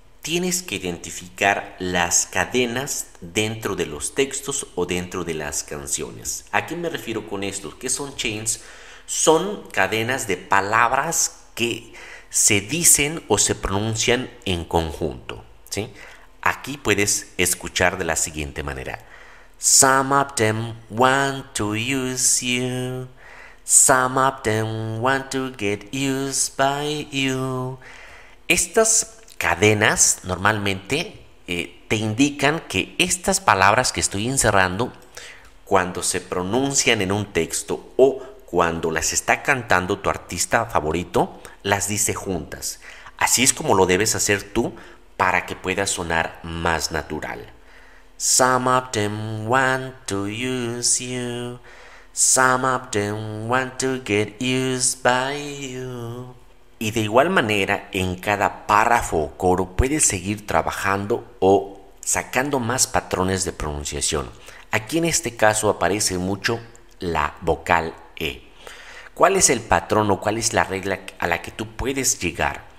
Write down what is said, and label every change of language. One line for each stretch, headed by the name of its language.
Spanish: Tienes que identificar las cadenas dentro de los textos o dentro de las canciones. ¿A qué me refiero con esto? ¿Qué son chains? Son cadenas de palabras que se dicen o se pronuncian en conjunto, ¿sí? Aquí puedes escuchar de la siguiente manera.
English: Some of them want to use you. Some of them want to get used by you.
Spanish: Estas cadenas normalmente te indican que estas palabras que estoy encerrando, cuando se pronuncian en un texto o cuando las está cantando tu artista favorito, las dice juntas. Así es como lo debes hacer tú para que pueda sonar más natural.
English: Some of them want to use you. Some of them want to get used by you.
Spanish: Y de igual manera, en cada párrafo o coro puedes seguir trabajando o sacando más patrones de pronunciación. Aquí en este caso aparece mucho la vocal E. ¿Cuál es el patrón o cuál es la regla a la que tú puedes llegar?